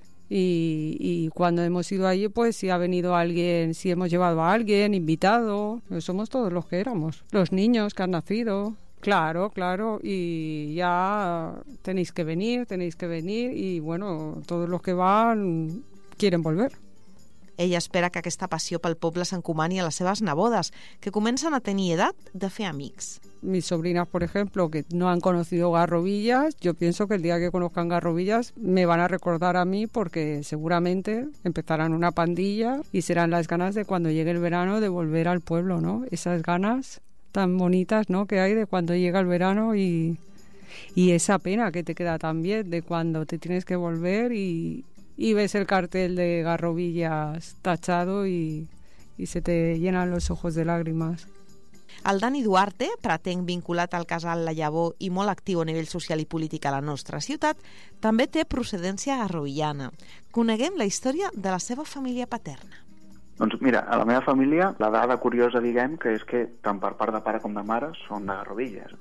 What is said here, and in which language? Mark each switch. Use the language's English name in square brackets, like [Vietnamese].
[Spanish] Y cuando hemos ido allí, pues si ha venido alguien, si hemos llevado a alguien, invitado, pues somos todos los que éramos. Los niños que han nacido, claro, claro, y ya tenéis que venir, y bueno, todos los que van quieren volver. [Catalan] Ella espera que aquesta passió pel poble s'encomani a les seves nebodes, que comencen a tenir edat de fer amics. [Spanish] Mis sobrinas, por ejemplo, que no han conocido garrobillas, yo pienso que el día que conozcan garrobillas me van a recordar a mí, porque seguramente empezarán una pandilla y serán las ganas de cuando llegue el verano de volver al pueblo, ¿no? Esas ganas tan bonitas, ¿no?, que hay de cuando llega el verano y esa pena que te queda también de cuando te tienes que volver y ves el cartel de garrobillas tachado y se te llenan los ojos de lágrimas. [Catalan] El Dani Duarte, pretenc vinculat al casal La Llavor i molt actiu a nivell social i polític a la nostra ciutat, també té procedència garrobillana. Coneguem la història de la seva família paterna. Doncs mira, a la meva família, la dada curiosa, diguem, que és que tant per part de pare com de mare són de Garrovilles.